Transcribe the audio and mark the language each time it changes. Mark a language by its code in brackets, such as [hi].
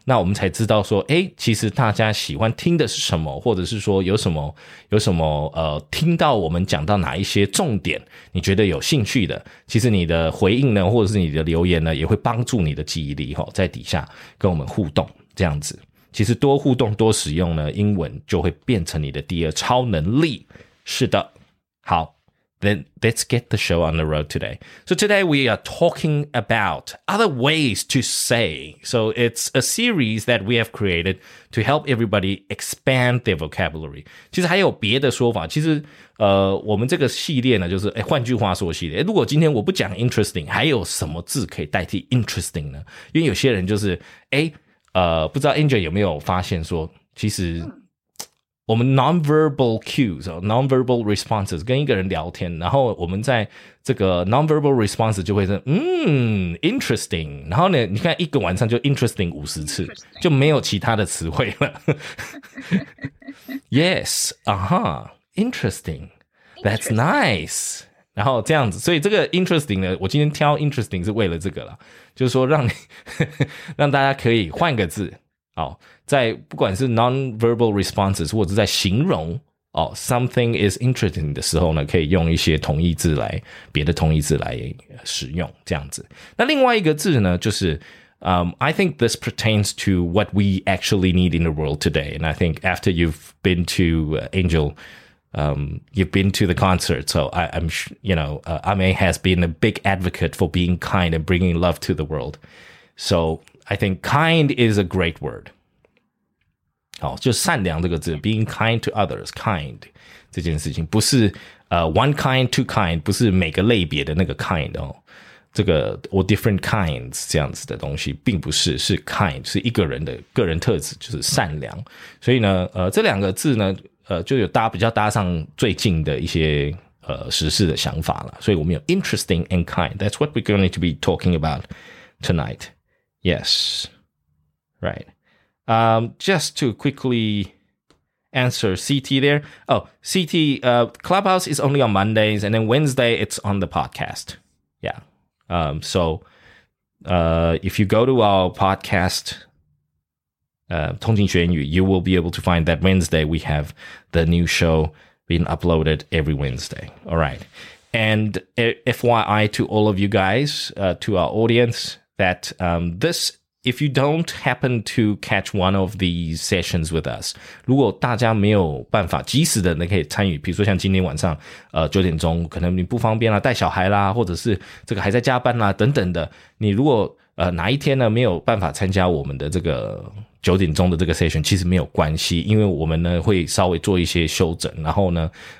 [zh] 那我们才知道说其实大家喜欢听的是什么，或者是说有什么听到我们讲到哪一些重点你觉得有兴趣的，其实你的回应呢或者是你的留言呢也会帮助你的记忆力齁，在底下跟我们互动这样子。其实多互动多使用呢，英文就会变成你的第二超能力。是的。好。 [en] Then let's get the show on the road today. So today we are talking about other ways to say. So it's a series that we have created to help everybody expand their vocabulary. [zh] 其实还有别的说法，其实我们这个系列呢就是换句话说系列，如果今天我不讲 interesting, 还有什么字可以代替 interesting 呢？因为有些人就是不知道 Angel 有没有发现说，其实我们 non-verbal cues, non-verbal responses, 跟一个人聊天，然后我们在这个 non-verbal response 就会说interesting, 然后呢你看一个晚上就 interesting 50次，就没有其他的词汇了。 [en] Yes, interesting, that's nice. [zh] 然后这样子，所以这个 interesting 呢，我今天挑 interesting 是为了这个啦，就是说让你让大家可以换个字。好，在不管是 non-verbal responses 或者在形容 [en] something is interesting [zh] 的时候呢，可以用一些同义字来，别的同义字来使用这样子。那另外一个字呢就是 [en] I think this pertains to what we actually need in the world today. And I think after you've been to Angel, you've been to the concert, so Ame has been a big advocate for being kind and bringing love to the world. So I think kind is a great word. [zh] 好，就善良这个字 , [en] being kind to others, [zh] kind, 这件事情不是 [en] one kind, two kind, [zh] 不是每个类别的那个 kind, 这个 [en] or different kinds, [zh] 这样子的东西并不是，是 kind, 是一个人的个人特质，就是善良。所以呢这两个字呢就有比较搭上最近的一些时事的想法了。所以我们有 [en] interesting and kind, that's what we're going to be talking about tonight. Yes, right. Just to quickly answer CT there. Oh, CT, Clubhouse is only on Mondays, and then Wednesday it's on the podcast. Yeah. So if you go to our podcast, 通勤学英语, you will be able to find that Wednesday we have the new show being uploaded every Wednesday. All right. And FYI to all of you guys, to our audience, that this, if you don't happen to catch one of these sessions with us, [zh] 如果大家没有办法及时的可以参与，比如说像今天晚上九点钟，可能你不方便啦，带小孩啦，或者是这个还在加班啦等等的，你如果哪一天呢没有办法参加我们的这个九点钟的这个 session， 其实没有关系，因为我们呢会稍微做一些修整，然后呢